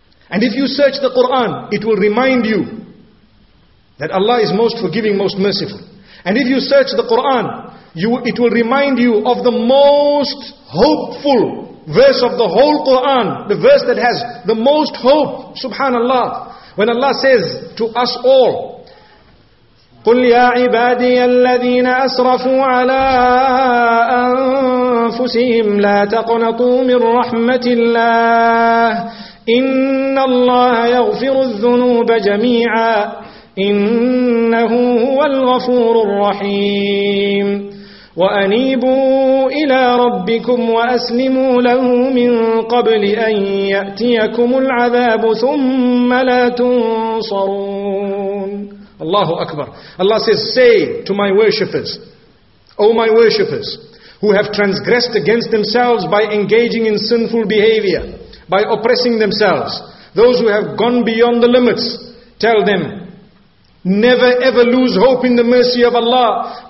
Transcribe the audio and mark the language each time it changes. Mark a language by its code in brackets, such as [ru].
[en] And if you search the Quran, it will remind you that Allah is most forgiving, most merciful. And if you search the Quran, it will remind you of the most hopeful verse of the whole Quran. The verse that has the most hope, subhanallah. When Allah says to us all, [ar] قُلْ يَا عِبَادِيَ الَّذِينَ أَسْرَفُوا عَلَىٰ أَنفُسِهِمْ لَا تَقْنَطُوا مِنْ رَحْمَةِ اللَّهِ إِنَّ اللَّهَ يَغْفِرُ الذُّنُوبَ جَمِيعًا إِنَّهُ هُوَ الْغَفُورُ الرَّحِيمُ وَأَنِيبُوا إِلَىٰ رَبِّكُمْ وَأَسْلِمُوا لَهُ مِنْ قَبْلِ أَنْ يَأْتِيَكُمُ الْعَذَابُ ثُمَّ لَا تُنصَرُونَ. Allahu Akbar. [en] Allah says, say to my worshippers, O my worshippers, who have transgressed against themselves by engaging in sinful behavior, by oppressing themselves, those who have gone beyond the limits, tell them, never ever lose hope in the mercy of Allah.